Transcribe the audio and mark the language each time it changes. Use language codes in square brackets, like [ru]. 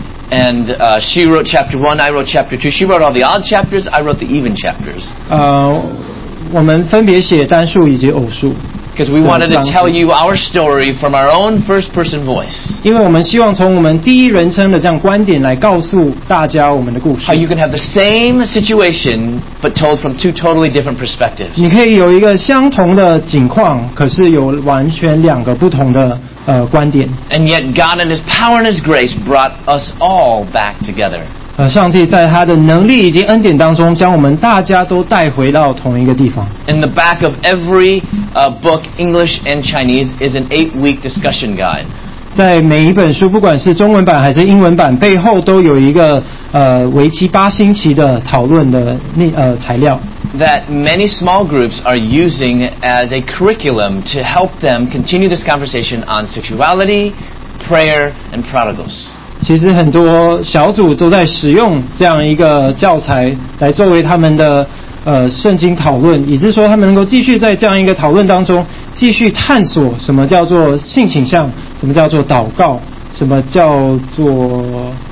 [en] And she wrote chapter 1, I wrote chapter 2. She wrote all the odd chapters, I wrote the even chapters. [zh] 我们分别写单数以及偶数。 [en] Because we wanted to tell you our story from our own first person voice. [zh] 因为我们希望从我们第一人称的这样观点来告诉大家我们的故事。 [en] How you can have the same situation, but told from two totally different perspectives. [zh] 你可以有一个相同的景况，可是有完全两个不同的观点。 [en] And yet God in His power and His grace brought us all back together. [zh] 上帝在他的能力以及恩典当中将我们大家都带回到同一个地方。 [en] In the back of every book, English and Chinese, is an 8-week discussion guide. [zh] 在每一本书，不管是中文版还是英文版，背后都有一个为期8星期的讨论的材料。 [en] That many small groups are using as a curriculum to help them continue this conversation on sexuality, prayer, and prodigals. [zh] 其实很多小组都在使用这样一个教材来作为他们的圣经讨论，以致说他们能够继续在这样一个讨论当中继续探索什么叫做性倾向，什么叫做祷告，什么叫做